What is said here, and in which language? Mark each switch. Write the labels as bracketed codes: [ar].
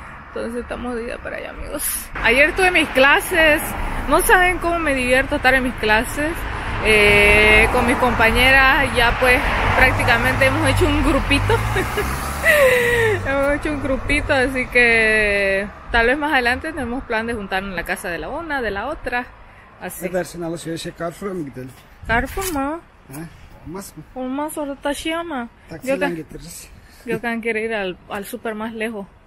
[es] Entonces estamos de ida para allá, amigos. Ayer tuve mis clases, no saben cómo me divierto estar en mis clases con mis compañeras. Ya pues prácticamente hemos hecho un grupito. Hemos hecho un grupito, así que tal vez más adelante tenemos plan de juntarnos en la casa de la una, de la otra. Así [tr] dersin alışverişe Carrefour'a mı gidelim? Carrefour mu? Olmaz mı? Olmaz, orada taşıyor ama. Taksiden getiririz. [es] Gökhan quiere ir al super más lejos.